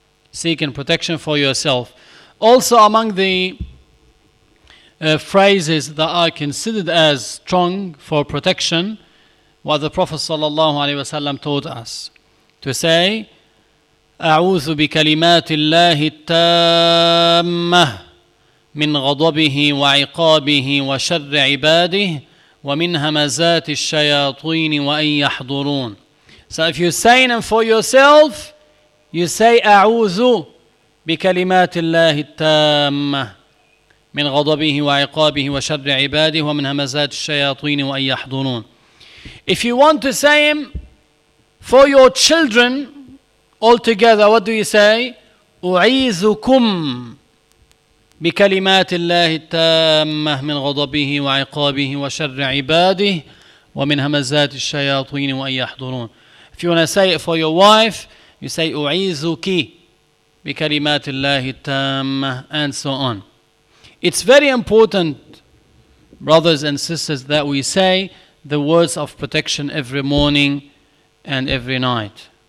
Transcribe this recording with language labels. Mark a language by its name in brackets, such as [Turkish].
[English] Seeking protection for yourself. Also among the phrases that are considered as strong for protection, what the Prophet sallallahu alaihi wasallam taught us to say, [Arabic] أعوذ بكلمات الله التامة من غضبه وعقابه وشر عباده ومن همزات الشياطين وأن يحضرون. [English] So if you say [Arabic] them for yourself, you say أعوذ بكلمات الله التامة من غضبه وعقابه وشر عباده ومن همزات الشياطين وأن يحضرون. [English] If you want to say them for your children altogether, what do you say? [Arabic] أعيذكم بكلمات الله التامة من غضبه وعقابه وشر عباده ومن همزات الشياطين وأن يحضرون. [English] If you want to say it for your wife, you say [Arabic] أعيذك بكلمات الله التامة, [English] and so on. It's very important, brothers and sisters, that we say the words of protection every morning and every night.